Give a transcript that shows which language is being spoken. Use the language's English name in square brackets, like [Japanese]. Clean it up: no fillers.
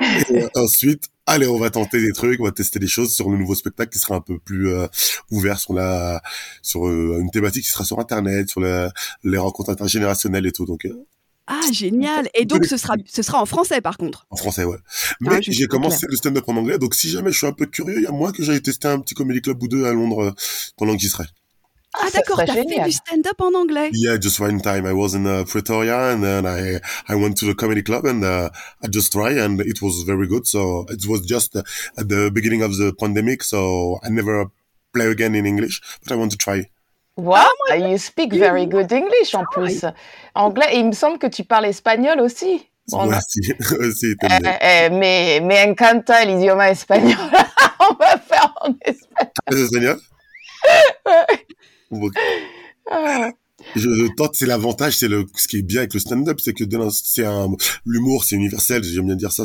[French] Et ensuite, allez, on va tenter des trucs, on va tester des choses sur le nouveau spectacle qui sera un peu plus ouvert sur une thématique qui sera sur Internet, sur les rencontres intergénérationnelles et tout. Donc, Ah, génial. Et donc, ce sera en français, par contre. En français, ouais. Mais ah, j'ai commencé clair. Le stand-up en anglais. Donc, si jamais je suis un peu curieux, il y a moins que j'aille tester un petit comedy club ou deux à Londres pendant que j'y serai. Ah, d'accord. T'as fait du stand-up en anglais. [English] Yeah, just one time. I was in Pretoria and then I went to the comedy club and I just tried and it was very good. So, it was just at the beginning of the pandemic. So, I never play again in English, but I want to try. Wow, you speak very good English [French] en plus. Anglais, et il me semble que tu parles espagnol aussi. Merci. Mais encanta l'idioma espagnol. On va faire en espagnol. Espagnol. Ouais. Je tente, c'est l'avantage, c'est le ce qui est bien avec le stand-up, c'est que l'humour, c'est universel. J'aime bien dire ça.